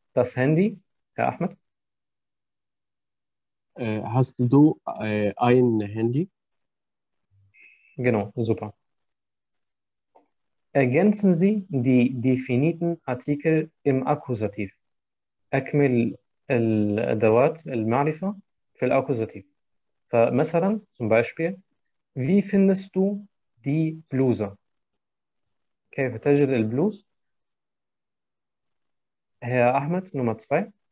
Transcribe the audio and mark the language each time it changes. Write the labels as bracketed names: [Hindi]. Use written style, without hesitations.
[German] Das Handy, Herr Ahmed? Hast du ein Handy? Genau, super. Ergänzen Sie die definierten Artikel im Akkusativ. [Arabic] أكمل الأدوات المعرفة في الأكوزاتيف. فمثلا [German] zum Beispiel, wie findest du die Bluse? [Arabic] كيف تجد البلوز؟ [German] Herr Ahmed, Nummer zwei.